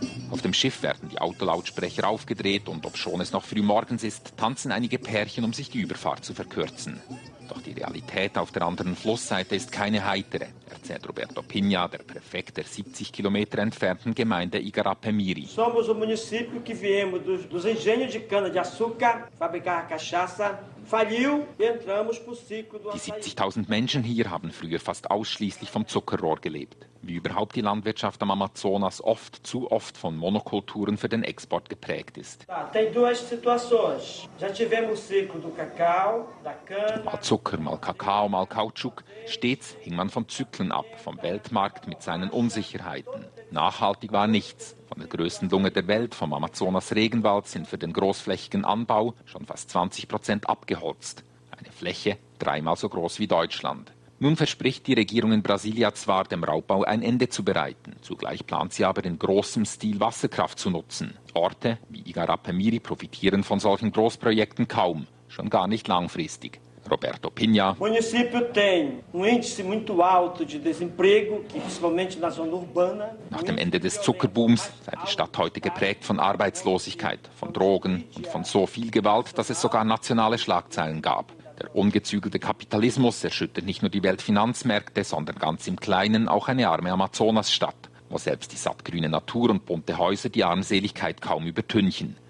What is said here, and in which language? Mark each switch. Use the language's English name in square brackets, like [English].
[German] Auf dem Schiff werden die Autolautsprecher aufgedreht und obschon es noch früh morgens ist, tanzen einige Pärchen, um sich die Überfahrt zu verkürzen. Doch die Realität auf der anderen Flussseite ist keine heitere, erzählt Roberto Pinha, der Präfekt der 70 Kilometer entfernten Gemeinde Igarapé-Miri. [Portuguese] Somos o município que viemos dos engenhos de cana-de-açúcar, fabricar a cachaça. [German] Die 70.000 Menschen hier haben früher fast ausschließlich vom Zuckerrohr gelebt. Wie überhaupt die Landwirtschaft am Amazonas oft, zu oft von Monokulturen für den Export geprägt ist. Mal Zucker, mal Kakao, mal Kautschuk. Stets hing man von Zyklen ab, vom Weltmarkt mit seinen Unsicherheiten. Nachhaltig war nichts. Von der größten Lunge der Welt, vom Amazonas-Regenwald, sind für den großflächigen Anbau schon fast 20% abgeholzt. Eine Fläche dreimal so groß wie Deutschland. Nun verspricht die Regierung in Brasilia zwar, dem Raubbau ein Ende zu bereiten. Zugleich plant sie aber in großem Stil Wasserkraft zu nutzen. Orte wie Igarapé-Miri profitieren von solchen Großprojekten kaum, schon gar nicht langfristig. Roberto Pinha. [Portuguese] O município tem índice muito alto de desemprego, principalmente na zona urbana. [German] Nach dem Ende des Zuckerbooms sei die Stadt heute geprägt von Arbeitslosigkeit, von Drogen und von so viel Gewalt, dass es sogar nationale Schlagzeilen gab. Der ungezügelte Kapitalismus erschüttert nicht nur die Weltfinanzmärkte, sondern ganz im Kleinen auch eine arme Amazonasstadt, wo selbst die sattgrüne Natur und bunte Häuser die Armseligkeit kaum übertünchen.